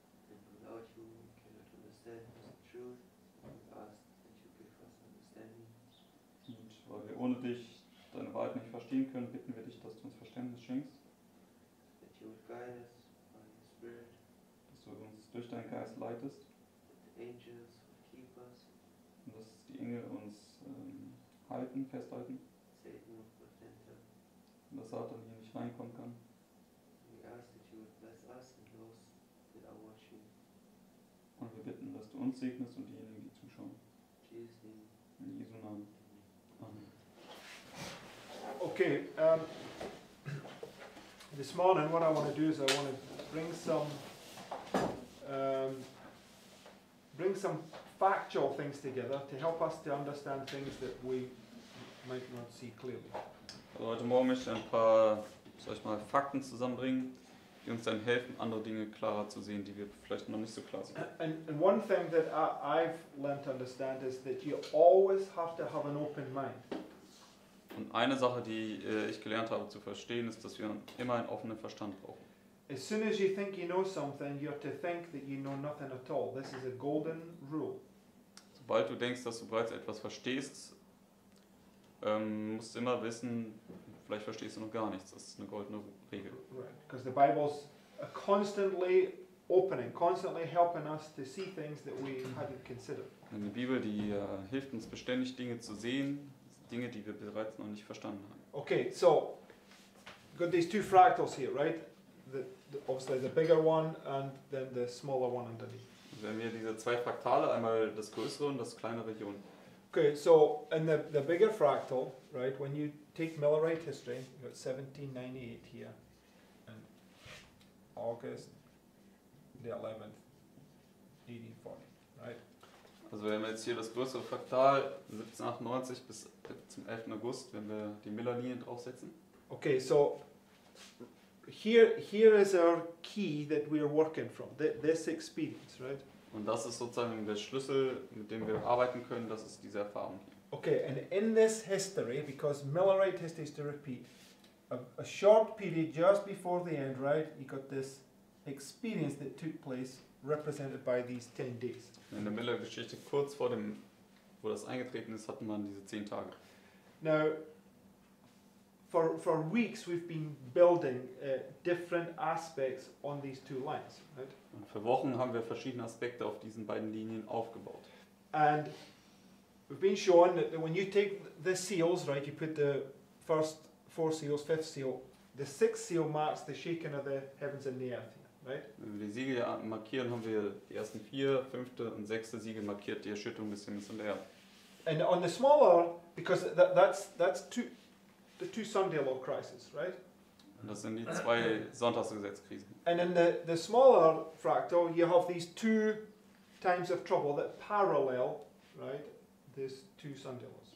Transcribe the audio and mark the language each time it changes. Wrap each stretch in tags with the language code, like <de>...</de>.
<en>And without you we cannot understand the truth. We ask that you give us understanding.</en> <de>Und weil wir ohne dich deine Wahrheit nicht verstehen können, bitten wir dich, dass du uns Verständnis schenkst.</de> <en>That you would guide us by your spirit.</en> <de>Dass du uns durch deinen Geist leitest.</de> <en>That the angels would keep us.</en> <de>Und dass die Engel uns halten, festhalten.</de> <en>Satan would prevent us.</en> <de>Und dass Satan hier nicht reinkommen kann.</de> <en>We ask that you would bless us and those that are watching.</en> <de>Und wir bitten, dass du uns segnest und diejenigen, die zuschauen.</de> <en>Jesus name.</en> <de>In Jesu Namen. Amen. Okay,</de> <en>this morning what I want to do is I want to bring some factual things together to help us to understand things that we might not see clearly.</en> <de>Also heute Morgen möchte ich ein paar, sag ich mal, Fakten zusammenbringen, die uns dann helfen, andere Dinge klarer zu sehen, die wir vielleicht noch nicht so klar sehen.</de> <en>And one thing that I've learned to understand is that you always have to have an open mind.</en> <de>Und eine Sache, die ich gelernt habe zu verstehen, ist, dass wir immer einen offenen Verstand brauchen.</de> <en>As soon as you think you know something, you have to think that you know nothing at all. This is a golden rule.</en> <de>Sobald du denkst, dass du bereits etwas verstehst, musst du immer wissen, vielleicht verstehst du noch gar nichts. Das ist eine goldene Regel.</de> <en>Right, because the Bible is constantly opening, constantly helping us to see things that we hadn't considered.</en> <de>Und die Bibel, die hilft uns beständig, Dinge zu sehen. Dinge, die wir bereits noch nicht verstanden haben.</de> <en>Okay, so got these two fractals here, right? The obviously the bigger one and then the smaller one underneath.</en> <de>Wir haben hier diese zwei Fraktale, einmal das größere und das kleinere Ion.</de> <en>Okay, so in the bigger fractal, right? When you take Millerite history, you got 1798 here and August the 11th 1840, right?</en> <de>Also wir haben jetzt hier das größere Fraktal 1798 bis zum 11. August, wenn wir die Miller-Linie draufsetzen.</de> <en>Okay, so here is our key that we are working from, this experience, right?</en> <de>Und das ist sozusagen der Schlüssel, mit dem wir arbeiten können, das ist diese Erfahrung hier.</de> <en>Okay, and in this history, because Millerite history is to repeat, a short period just before the end, right, you got this experience that took place represented by these 10 days.</en> <de>In der Miller-Geschichte kurz vor dem, wo das eingetreten ist, hatte man diese 10 Tage.</de> <en>Now, for weeks we've been building different aspects on these two lines, right?</en> <de>Und für Wochen haben wir verschiedene Aspekte auf diesen beiden Linien aufgebaut.</de> <en>And we've been shown that when you take the seals, right, you put the first four seals, fifth seal, the sixth seal marks the shaking of the heavens and the earth. Right.</en> <de>Wenn wir die Siegel markieren, haben wir die ersten vier, fünfte und sechste Siegel markiert, die Erschütterung des Himmels und der Erde.</de> <en>And on the smaller, because that's the two Sunday law crises, right?</en> <de>Und das sind die zwei Sonntagsgesetzkrisen.</de> <en>And in the smaller fractal, you have these two times of trouble that parallel, right, these two Sunday laws.</en>